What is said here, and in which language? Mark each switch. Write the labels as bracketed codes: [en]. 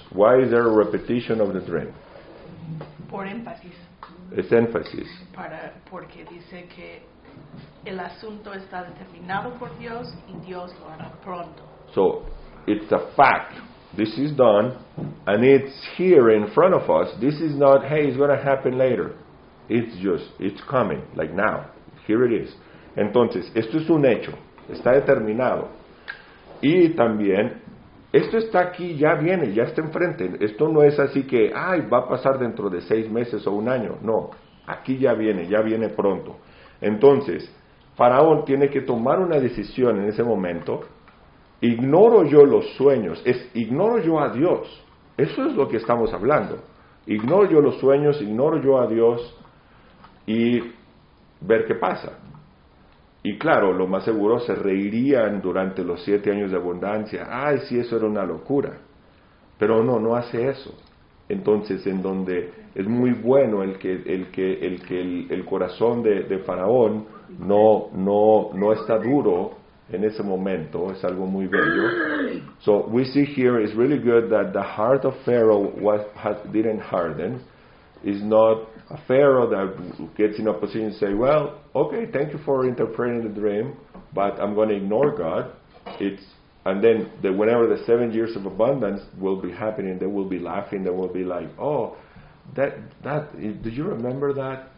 [en] Why is there a repetition of the dream? [es] Por énfasis. Es énfasis. Porque dice que el asunto está determinado por Dios y Dios lo hará pronto. [en] So it's a fact. This is done and it's here in front of us. This is not, hey, it's going to happen later. It's just, it's coming, like now. Here it is. [es] Entonces, esto es un hecho. Está determinado. Y también, esto está aquí, ya viene, ya está enfrente. Esto no es así que, ay, va a pasar dentro de seis meses o un año. No, aquí ya viene pronto. Entonces, Faraón tiene que tomar una decisión en ese momento. Ignoro yo los sueños, ignoro yo a Dios. Eso es lo que estamos hablando. Ignoro yo los sueños, ignoro yo a Dios y ver qué pasa. Y claro, lo más seguro, se reirían durante los siete años de abundancia. ¡Ay, sí, eso era una locura! Pero no, no hace eso. Entonces, en donde es muy bueno el corazón de Faraón no está duro en ese momento. Es algo muy bello. [en] So, we see here, it's really good that the heart of Pharaoh didn't harden. It's not a Pharaoh that gets in a position and say, well, okay, thank you for interpreting the dream, but I'm going to ignore God. And then whenever the 7 years of abundance will be happening, they will be laughing, they will be like, oh, do you remember that?